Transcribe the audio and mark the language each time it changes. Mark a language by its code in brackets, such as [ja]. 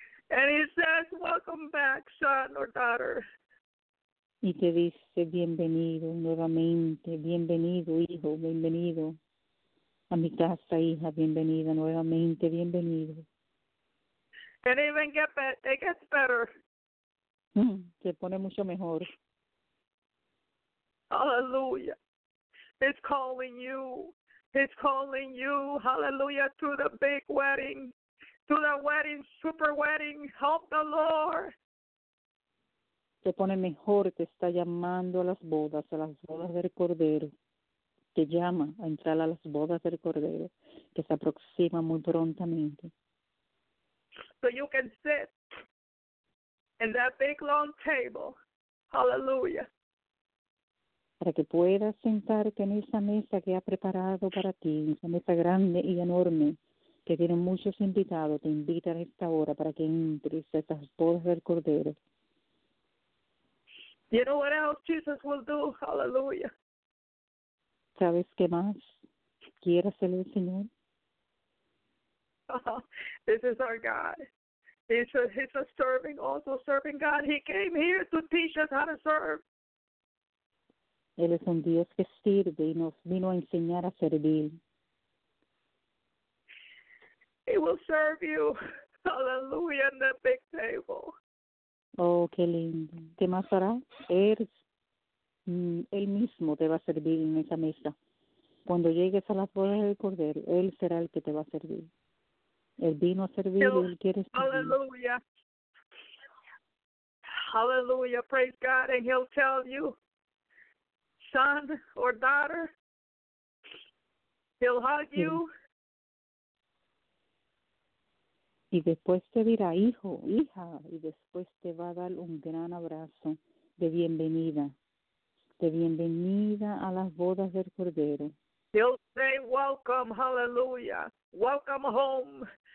[en] And He says, welcome back, son or daughter. [es] Y te dice, bienvenido nuevamente. Bienvenido, hijo. Bienvenido. A mi casa, hija, bienvenida nuevamente, bienvenido. [en] And even it gets better. [es] Se pone mucho mejor. [en] Hallelujah. It's calling you. It's calling you, hallelujah, to the big wedding. To the wedding, super wedding. Help the Lord. [es] Se pone mejor, te está llamando a las bodas del Cordero. Te llama a entrar a las bodas del Cordero, que se aproxima muy prontamente. [en] So you can sit in that big long table. Hallelujah. [es] Para que puedas sentarte en esa mesa que ha preparado para ti, esa mesa grande y enorme, que tiene muchos invitados, te invitan a esta hora para que entres a esas bodas del Cordero. [en] You know what else Jesus will do? Hallelujah. [es] ¿Sabes qué más quiere hacer el Señor? [en] This is our God. It's a serving, also serving God. He came here to teach us how to serve. [es] Él es un Dios que sirve y nos vino a enseñar a servir. [en] He will serve you, hallelujah, on the big table. [es] Oh, qué lindo. ¿Qué más hará? Él mismo te va a servir en esa mesa. Cuando llegues a las bodas del Cordero, Él será el que te va a servir. Él vino a servir y Él quiere servir. [en] Hallelujah. Hallelujah, praise God, and He'll tell you, son or daughter, He'll hug you. [es] Y después te dirá, hijo, hija, y después te va a dar un gran abrazo de bienvenida. De bienvenida a las bodas del Cordero. [en] He'll say, welcome, hallelujah. Welcome home.